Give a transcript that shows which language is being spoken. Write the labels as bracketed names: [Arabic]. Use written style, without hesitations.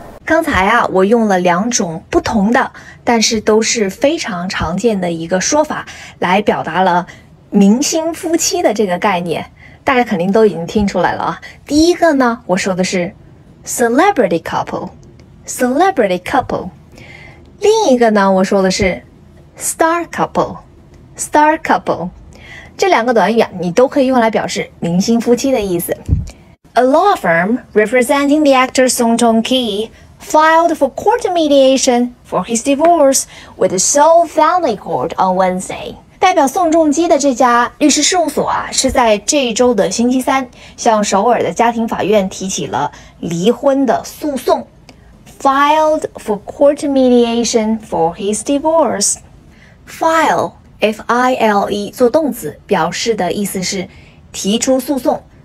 [Chinese] 刚才啊，我用了两种不同的，但是都是非常常见的一个说法，来表达了明星夫妻的这个概念，大家肯定都已经听出来了啊。第一个呢，我说的是 celebrity couple， celebrity couple。另一个呢，我说的是 star couple， star couple。这两个短语啊，你都可以用来表示明星夫妻的意思。 [English] A law firm representing the actor Song Joong-ki filed for court mediation for his divorce with the Seoul Family Court on Wednesday. [Chinese] 代表宋仲基的这家律师事务所啊，是在这一周的星期三向首尔的家庭法院提起了离婚的诉讼。 [English] Filed for court mediation for his divorce. [Chinese] File, F-I-L-E, 做动词表示的意思是提出诉讼。